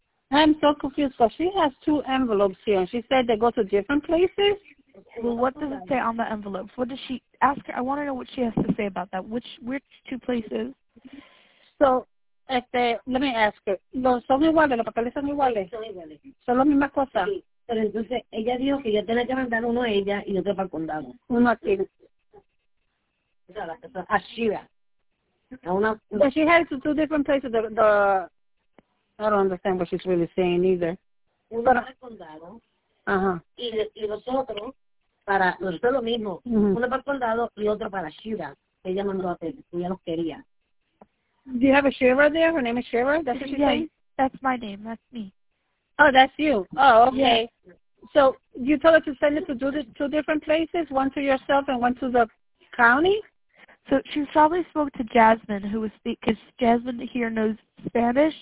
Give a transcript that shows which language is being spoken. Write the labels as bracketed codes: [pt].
[en] I'm so confused because she has two envelopes here. She said they go to different places. Well, what does it say on the envelope? What does she ask her? I want to know what she has to say about that. Which two places? So, let me ask her. [es] Son iguales, los papeles son iguales. Son las mismas cosas. Pero entonces ella dijo que ya tenía que mandar uno a ella y otro para el condado. Uno aquí. A Shira. [en] But she has to two different places. The I don't understand what she's really saying either. [es] Uno para el condado. Ajá. Y los otros para los dos lo mismo. Mm-hmm. Uno para el condado y otro para Shira. Ella mandó a pedir. Ella los quería. [en] Do you have a Shira there? Her name is Shira. That's what she's saying. That's my name. That's me. Oh, that's you. Oh, okay. Yes. So you told her to send it to two different places, one to yourself and one to the county? So she probably spoke to Jasmine, who was because Jasmine here knows Spanish.